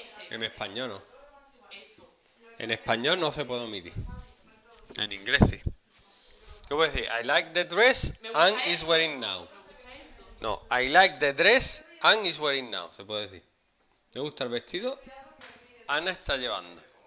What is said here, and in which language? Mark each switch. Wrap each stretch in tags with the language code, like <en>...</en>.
<es>En español no. En español no se puede omitir. En inglés sí. ¿Qué puedes decir?</es> <en>I like the dress Anne is wearing now. No, I like the dress Anne is wearing now.</en> <es>Se puede decir. Me gusta el vestido Ana está llevando.</es>